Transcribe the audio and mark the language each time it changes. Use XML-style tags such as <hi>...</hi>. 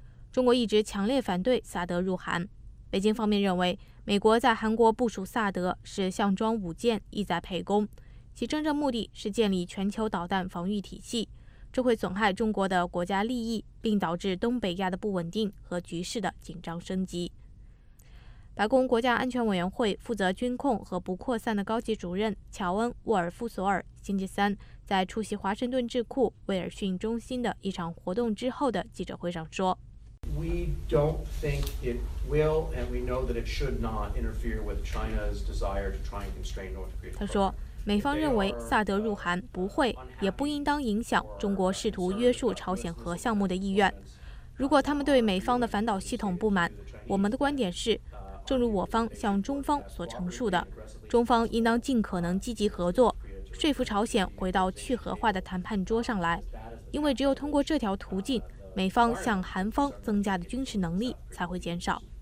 <zh>中国一直强烈反对萨德入韩。北京方面认为，美国在韩国部署萨德是项庄舞剑，意在沛公，其真正目的是建立全球导弹防御体系，这会损害中国的国家利益，并导致东北亚的不稳定和局势的紧张升级。白宫国家安全委员会负责军控和不扩散的高级主任乔恩·沃尔夫索尔星期三在出席华盛顿智库威尔逊中心的一场活动之后的记者会上说，</zh> <en>We don't think it will and we know that it should not interfere with China's desire to try and constrain North Korea.</en> <zh>他说，美方认为萨德入韩不会也不应当影响中国试图约束朝鲜核项目的意愿。如果他们对美方的反导系统不满，我们的观点是，正如我方向中方所陈述的，中方应当尽可能积极合作，说服朝鲜回到去核化的谈判桌上来，因为只有通过这条途径，美方向韩方增加的军事能力才会减少。</zh>